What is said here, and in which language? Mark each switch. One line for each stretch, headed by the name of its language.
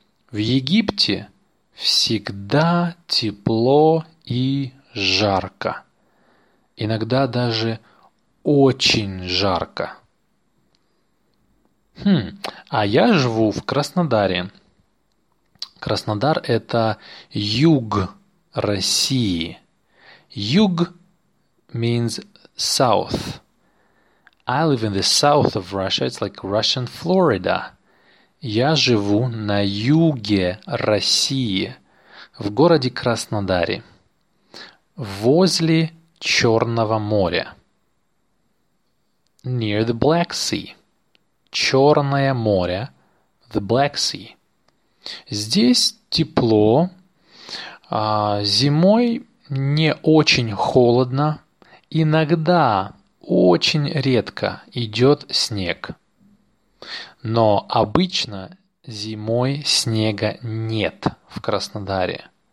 Russian: В Египте всегда тепло и жарко. Иногда даже очень жарко. А я живу в Краснодаре. Краснодар – это юг России.
English: Юг means south. I live in the south of Russia. It's like Russian Florida.
Russian: Я живу на юге России, в городе Краснодаре, возле Черного моря.
English: Near the Black Sea.
Russian: Черное море,
English: the Black Sea.
Russian: Здесь тепло, зимой не очень холодно, иногда, очень редко идет снег. Но обычно зимой снега нет в Краснодаре.